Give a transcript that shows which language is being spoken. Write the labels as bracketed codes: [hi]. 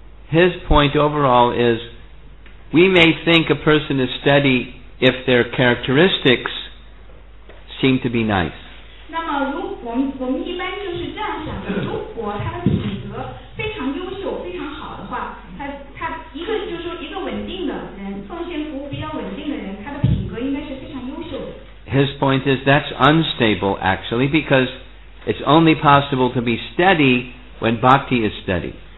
[en] His point overall is we may think a person is steady if their characteristics seem to be nice. [zh] 那么如果我们一般就是这样想的，如果他的品格非常优秀非常好的话，他一个就是说一个稳定的人，奉献服务比较稳定的人，他的品格应该是非常优秀的。 [en] His point is that's unstable actually, because it's only possible to be steady when bhakti is steady.